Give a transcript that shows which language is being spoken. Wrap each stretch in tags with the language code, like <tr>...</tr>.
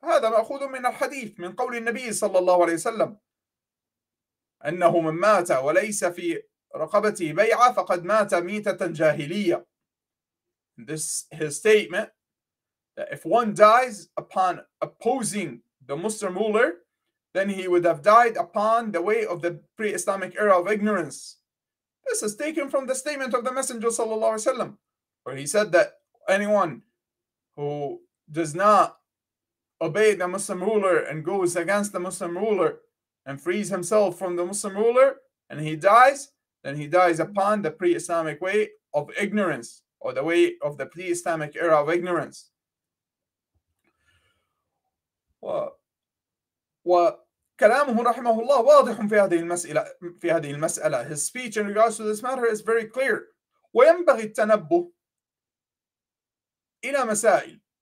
<ar>هذا مأخوذ من الحديث من قول النبي صلى الله عليه وسلم أنه من مات وليس في رقبتي بيعة فقد مات ميتة جاهلية.</ar> <en>This his statement that if one dies upon opposing the Muslim ruler, then he would have died upon the way of the pre-Islamic era of ignorance. This is taken from the statement of the Messenger</en> <ar>صلى الله عليه وسلم,</ar> <en>where he said that anyone who does not obey the Muslim ruler and goes against the Muslim ruler and frees himself from the Muslim ruler and he dies, then he dies upon the pre-Islamic way of ignorance, or the way of the pre-Islamic era of ignorance.</en> <ar>وكلامه رحمه الله واضح في هذه المسألة, في هذه المسألة.</ar> <en>His speech in regards to this matter is very clear.</en> <ar>وينبغي التنبه إلى مسائل.</ar>